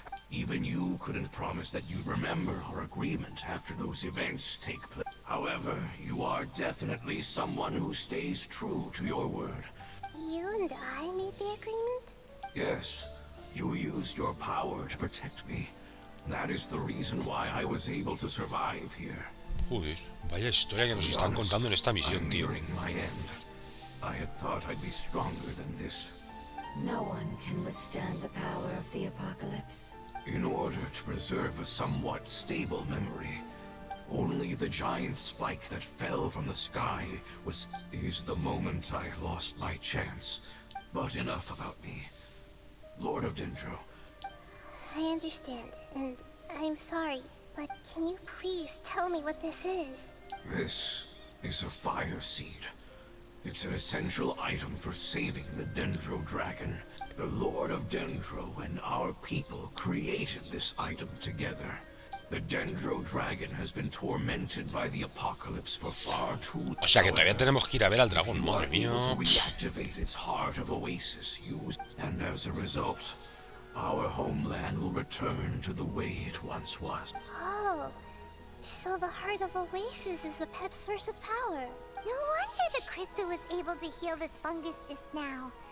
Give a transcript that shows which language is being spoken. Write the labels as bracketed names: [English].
[English] Even you couldn't promise that you'd remember our agreement after those events take place. However, you are definitely someone who stays true to your word. You and I made the agreement? Yes. You used your power to protect me. That is the reason why I was able to survive here. [Spanish] Joder, vaya historia que nos están contando en esta misión, tío. [English] Nearing my end. I had thought I'd be stronger than this. No one can withstand the power of the apocalypse. In order to preserve a somewhat stable memory, only the giant spike that fell from the sky is the moment I lost my chance. But enough about me. Lord of Dendro. I understand, and I'm sorry, but can you please tell me what this is? This is a fire seed. It's an essential item for saving the Dendro Dragon. The Lord of Dendro and our people created this item together. The Dendro Dragon has been tormented by the apocalypse for far too long. [Spanish] O sea que todavía tenemos que ir a ver al dragón, madre mía. [English] You are able to reactivate its heart of oasis used, and as a result, our homeland will return to the way it once was. Oh, so the heart of oasis is a pep source of power. No wonder the crystal was able to heal this fungus just now.